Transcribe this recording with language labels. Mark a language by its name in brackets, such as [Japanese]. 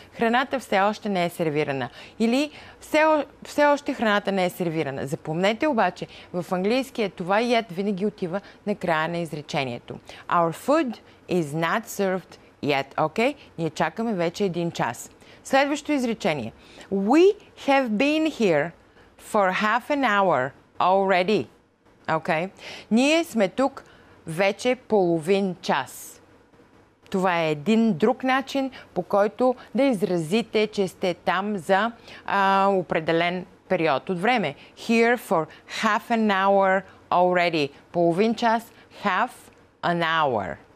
[Bulgarian] Храната все още не е сервирана. Или все още храната не е сервирана. Запомнете обаче, в английския това yet винаги отива на края на изречението. [English] Our food is not served yet. Okay? [Bulgarian] Ние чакаме вече един час. Следващото изречение. [English] We have been here for half an hour already. Okay. [Bulgarian] Ние сме тук вече половин час. Това е един друг начин, по който да изразите, че сте там за определен период от време. [English] Here for half an hour already. [Bulgarian] Половин час, [English] half an hour.